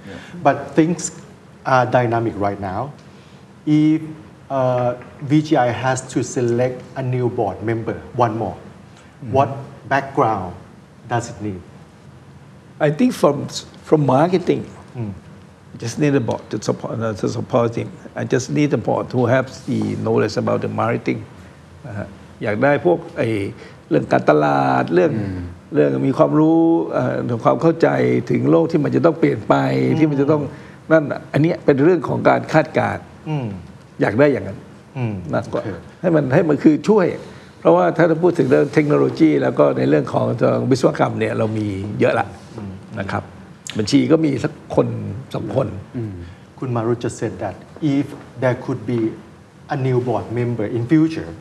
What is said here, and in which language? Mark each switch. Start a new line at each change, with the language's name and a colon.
English: Yeah. But things are dynamic right now. If VGI has to select a new board member, one more, mm-hmm. what background does it need? I think from marketing, I just need a board to support him. I just need a board who has the knowledge about the marketing.
Thai: อยากได้พวกเรื่องการตลาดเรื่องมีความรู้ความเข้าใจถึงโลกที่มันจะต้องเปลี่ยนไปที่มันจะต้องนั่นอันนี้เป็นเรื่องของการคาดการณ์ อยากได้อย่างนั้นมากกว่าให้มันคือช่วยเพราะว่าถ้าเราพูดถึงเรื่องเทคโนโลยีแล้วก็ในเรื่องของวิศวกรรมเนี่ยเรามีเยอะละนะครับบัญชีก็มีสักคนสองคน
English: คุณมารุจะ said that if there could be a new board member in future